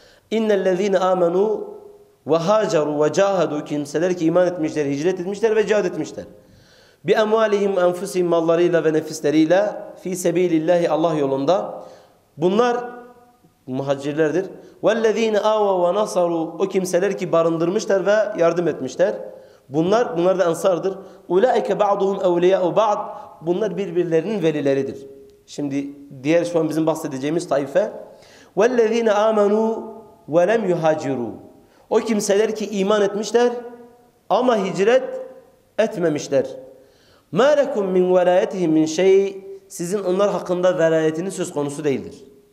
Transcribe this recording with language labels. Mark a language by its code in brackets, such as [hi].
[ar] İnnellezîne âmenû ve hâcerû ve cahedû [tr] kimseler ki iman etmişler, hicret etmişler ve cihad etmişler. [ar] Bi emvâlihim enfusihim [tr] mallarıyla ve nefisleriyle [ar] fî sebîlillâhi [tr] Allah yolunda. Bunlar muhacirlerdir. [ar] وَالَّذ۪ينَ آوَا وَنَصَرُوا [tr] O kimseler ki barındırmışlar ve yardım etmişler. Bunlar da ensardır. [ar] اُولَٰئِكَ بَعْضُهُمْ اَوْلِيَاءُ بَعْضٍ [tr] Bunlar birbirlerinin velileridir. Şimdi diğer şu an bizim bahsedeceğimiz taife. [ar] وَالَّذ۪ينَ آمَنُوا وَلَمْ يُهَاجِرُوا [tr] O kimseler ki iman etmişler ama hicret etmemişler. [ar] مَا لَكُمْ مِنْ وَلَايَتِهِمْ مِنْ شَيْءٍ [tr] Sizin onlar hakkında velayetiniz söz konusu değildir.